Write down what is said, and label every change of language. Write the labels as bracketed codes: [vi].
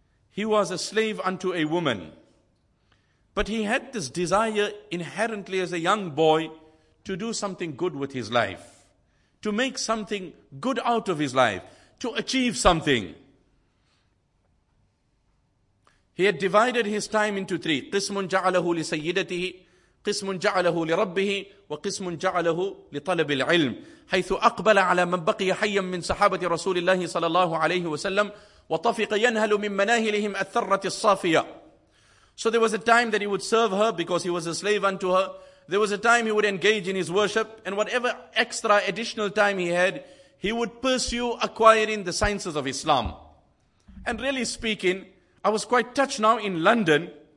[en] He was a slave unto a woman. But he had this desire inherently as a young boy to do something good with his life, to make something good out of his life, to achieve something. He had divided his time into three. [ar] قِسْمٌ جَعَلَهُ لِسَيِّدَتِهِ قِسْمٌ جَعَلَهُ لِرَبِّهِ وَقِسْمٌ جَعَلَهُ لِطَلَبِ الْعِلْمِ حيث أقبل على من بقي حيا من صحابة رسول الله صلى الله عليه وسلم وطفق ينهل من مناهلهم الثرة الصافية. [en] So there was a time that he would serve her because he was a slave unto her. There was a time he would engage in his worship, and whatever extra additional time he had, he would pursue acquiring the sciences of Islam. And really speaking, I was quite touched now in London.